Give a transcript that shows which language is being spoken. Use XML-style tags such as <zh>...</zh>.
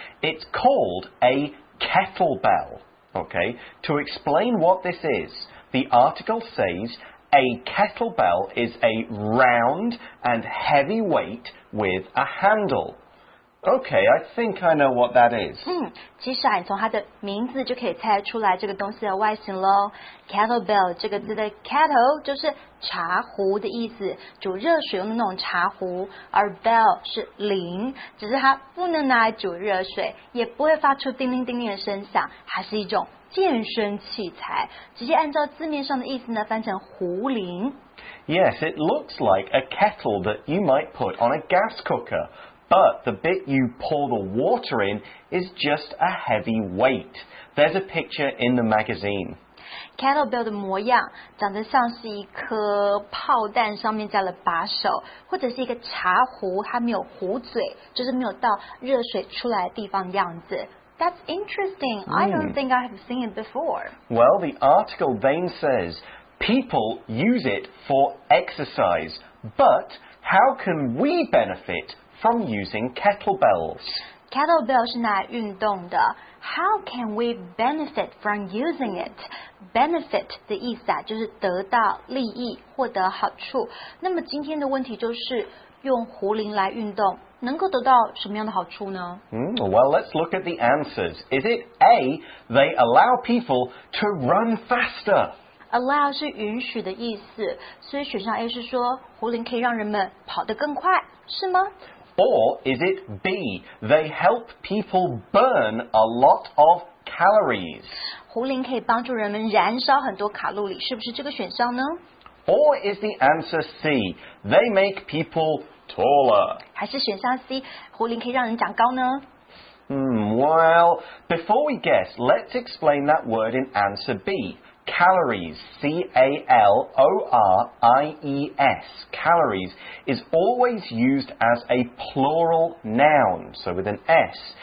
<en>It's called a kettlebell. Okay, to explain what this is, the article says a kettlebell is a round and heavy weight with a handle. Okay, I think I know what that is.</en> <zh>其实啊，你从它的名字就可以猜出来这个东西的外形咯。 Kettlebell 这个字的 kettle 就是茶壶的意思，煮热水用的那种茶壶，而 bell 是铃，只是它不能拿来煮热水，也不会发出叮铃叮铃的声响，还是一种健身器材。直接按照字面上的意思呢，翻成壶铃。</zh> <en>Yes, it looks like a kettle that you might put on a gas cooker. But the bit you pour the water in is just a heavy weight. There's a picture in the magazine.</en> <zh>Kettlebell 的模样长得像是一颗炮弹上面加了把手，或者是一个茶壶，它没有壶嘴，就是没有到热水出来的地方的样子。</zh> <en>That's interesting. I don't think I have seen it before. Well, the article then says, people use it for exercise, but how can we benefit from using kettlebells? Kettlebell</en> <zh>是拿来运动的。</zh> <en>How can we benefit from using it?</en> <zh>Benefit 的意思啊，就是得到利益，获得好处。那么今天的问题就是用壶铃来运动，能够得到什么样的好处呢？</zh> <en>Well, let's look at the answers. Is it A, they allow people to run faster?</en> <zh>Allow 是允许的意思，所以选项 A 是说壶铃可以让人们跑得更快，是吗？</zh> <en>Or is it B, they help people burn a lot of calories?</en> <zh>壶铃可以帮助人们燃烧很多卡路里，是不是这个选项呢？</zh> <en>Or is the answer C, they make people taller?</en> <zh>还是选项 C, 壶铃可以让人长高呢？</zh> <en>Well, before we guess, let's explain that word in answer B. Calories, C-A-L-O-R-I-E-S, calories, is always used as a plural noun, so with an S.</en>